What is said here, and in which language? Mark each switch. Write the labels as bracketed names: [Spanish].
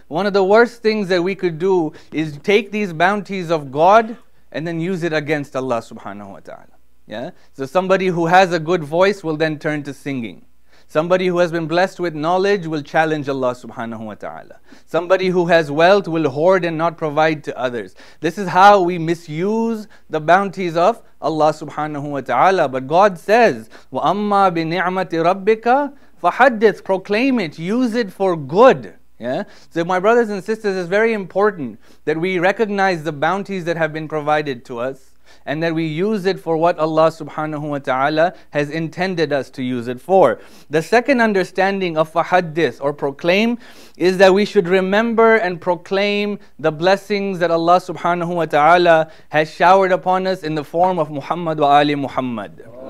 [English] One of the worst things that we could do is take these bounties of God and then use it against Allah subhanahu wa ta'ala. Yeah, so somebody who has a good voice will then turn to singing. Somebody who has been blessed with knowledge will challenge Allah subhanahu wa ta'ala. Somebody who has wealth will hoard and not provide to others. This is how we misuse the bounties of Allah subhanahu wa ta'ala. But God says, [Arabic] وَأَمَّا بِنِعْمَةِ رَبِّكَ فَحَدِّثْ. [English] Proclaim it, use it for good. Yeah? So my brothers and sisters, it's very important that we recognize the bounties that have been provided to us. and that we use it for what Allah subhanahu wa ta'ala has intended us to use it for. The second understanding of fahaddith or proclaim is that we should remember and proclaim the blessings that Allah subhanahu wa ta'ala has showered upon us in the form of Muhammad wa Ali Muhammad.